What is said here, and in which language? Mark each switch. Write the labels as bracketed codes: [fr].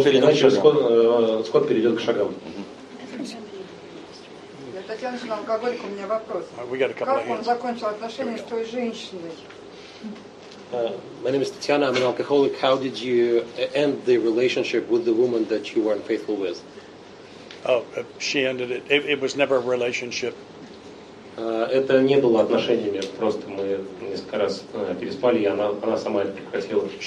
[ru] Скотт перейдет к шагам. Я Татьяна Жена, алкоголик, у меня вопрос. Как он закончил отношения с той женщиной? [en] My name is Tatiana, I'm an alcoholic. How did you end the relationship with the woman that you were unfaithful with? She ended it. It was never a relationship. [ru] Это не было отношениями, просто мы несколько раз переспали, и она сама это прекратила.